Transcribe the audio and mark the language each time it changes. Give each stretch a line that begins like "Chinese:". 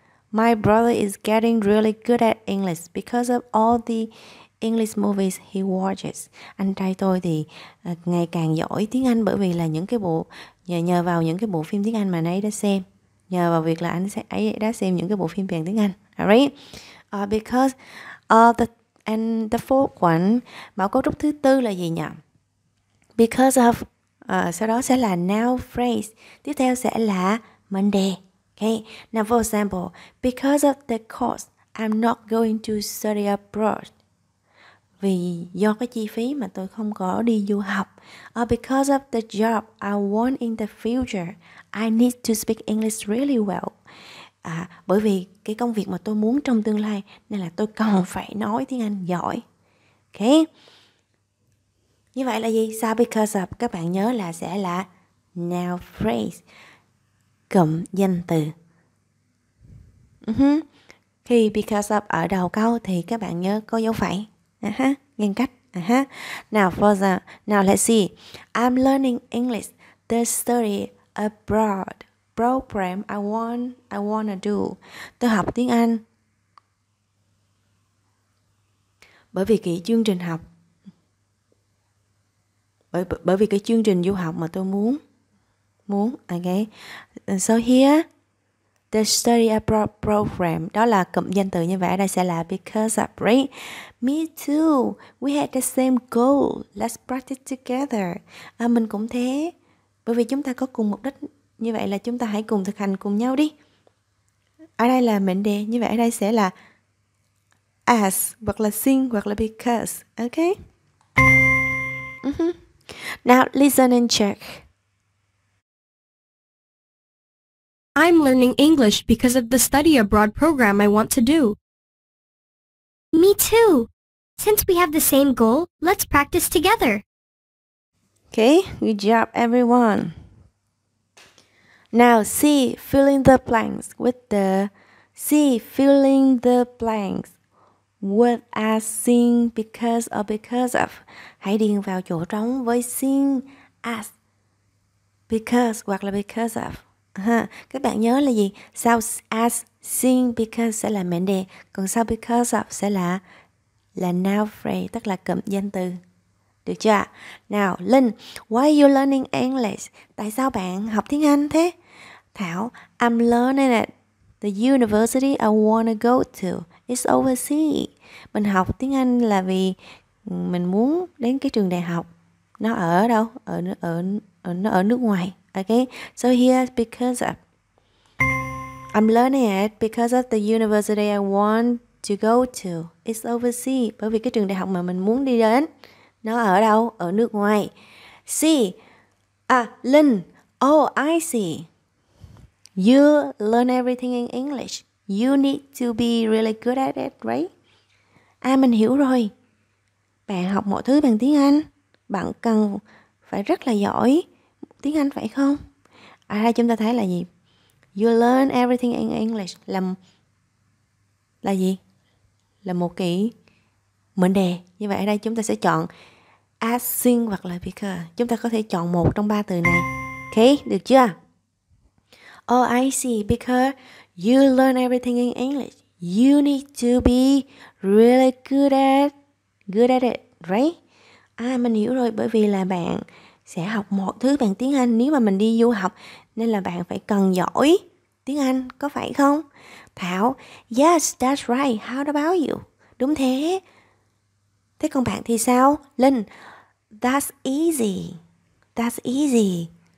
English: My brother is getting really good at English because of all the English movies he watches.
Vietnamese: Anh trai tôi thì ngày càng giỏi tiếng Anh bởi vì là nhờ vào những cái bộ phim tiếng Anh mà anh ấy đã xem. Nhờ vào việc là anh ấy đã xem những cái bộ phim bằng tiếng Anh.
English: The fourth one,
Vietnamese: bảo cấu trúc thứ tư là gì nhỉ? Because of. Sau đó sẽ là noun phrase. Tiếp theo sẽ là mệnh đề. Okay.
English: Now for example, because of the cost, I'm not going to study abroad.
Vietnamese: Vì do cái chi phí mà tôi không có đi du học.
English: Because of the job I want in the future, I need to speak English really well.
Vietnamese: Bởi vì cái công việc mà tôi muốn trong tương lai, nên là tôi cần phải nói tiếng Anh giỏi. Okay. Như vậy là gì? Sao because of? Các bạn nhớ là sẽ là noun phrase, cụm danh từ. Khi because of ở đầu câu thì các bạn nhớ có dấu phẩy. Ngăn cách.
English: Now, further. Now, let's see. I'm learning English to study abroad. Program I wanna do.
Vietnamese: Tôi học tiếng Anh bởi vì cái chương trình học, bởi vì cái chương trình du học mà tôi muốn muốn.
English: Okay, so here the study abroad program,
Vietnamese: đó là cụm danh từ như vậy. Đây sẽ là because of, right?
English: Me too, we had the same goal, let's practice together.
Vietnamese: À, mình cũng thế, bởi vì chúng ta có cùng mục đích. Như vậy là chúng ta hãy cùng thực hành cùng nhau đi. Ở đây là mệnh đề. Như vậy ở đây sẽ là as, hoặc là since, hoặc là because. Ok.
English: Now listen and check. I'm learning English because of the study abroad program I want to do. Me too. Since we have the same goal, let's practice together. Ok, good job everyone. Now, C, filling the blanks with the C, filling the blanks with as, since, because or because of.
Vietnamese: Hãy điền vào chỗ trống với since, as, because hoặc là because of. Các bạn nhớ là gì? Sau as, since, because sẽ là mệnh đề, còn sau because of sẽ là noun phrase, tức là cụm danh từ. Được chưa?
English: Now, Linh, why are you learning English?
Vietnamese: Tại sao bạn học tiếng Anh thế?
English: Thảo, I'm learning at the university I want to go to. It's overseas.
Vietnamese: Mình học tiếng Anh là vì mình muốn đến cái trường đại học. Nó ở đâu? Nó ở nước ngoài. Okay?
English: So here's because of. I'm learning it because of the university I want to go to. It's overseas.
Vietnamese: Bởi vì cái trường đại học mà mình muốn đi đến, nó ở đâu? Ở nước ngoài. See. Linh.
English: Oh, I see. You learn everything in English. You need to be really good at it, right?
Vietnamese: À, mình hiểu rồi. Bạn học mọi thứ bằng tiếng Anh. Bạn cần phải rất là giỏi tiếng Anh, phải không? À, đây chúng ta thấy là gì?
English: You learn everything in English.
Vietnamese: Là gì? Là một cái mệnh đề. Như vậy ở đây chúng ta sẽ chọn asking hoặc là because. Chúng ta có thể chọn một trong ba từ này. Ok, được chưa?
English: Oh, I see, because you learn everything in English. You need to be really good at it, right?
Vietnamese: À, mình hiểu rồi, bởi vì là bạn sẽ học một thứ bằng tiếng Anh nếu mà mình đi du học, nên là bạn phải cần giỏi tiếng Anh, có phải không?
English: Thảo, yes, that's right, how about you?
Vietnamese: Đúng thế. Thế còn bạn thì sao?
English: Linh, that's easy.